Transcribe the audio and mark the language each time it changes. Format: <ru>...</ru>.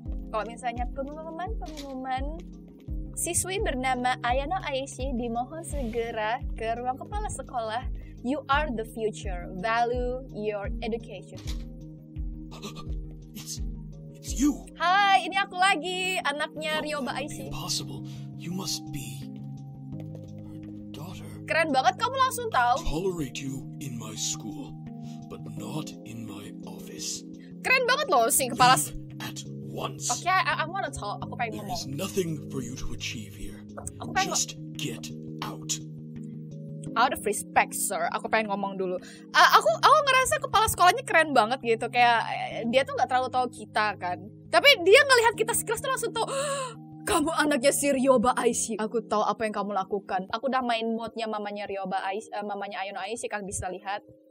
<id>Kalau misalnya pengumuman siswi bernama Ayano Aishi dimohon segera ke ruang kepala sekolah.</id> <en>You are the future. Value your education. It's you.</en> <id>Hai, ini aku lagi, anaknya Ryoba Aishi.</id> <en>Impossible. You must be her daughter.</en> <id>Keren banget kamu langsung tahu.</id> <en>Tolerate you in my school, but not in my office.</en> <id>Keren banget loh si kepala.</id> <en>Okay, I want to talk.</en> <id>Aku pengen ngomong.</id> <en>There is nothing for you to achieve here. Just get out. Out of respect, sir.</en> <id>Aku pengen ngomong dulu. Aku ngerasa kepala sekolahnya keren banget gitu. Kayak dia tuh nggak terlalu tahu kita kan. Tapi dia ngelihat kita sekelas tuh langsung tuh Kamu anaknya si Ryoba Aishi. Aku tahu apa yang kamu lakukan. Aku udah main mode-nya mamanya Ryoba Aishi, mamanya Ayano Aishi, kalian bisa lihat.</id>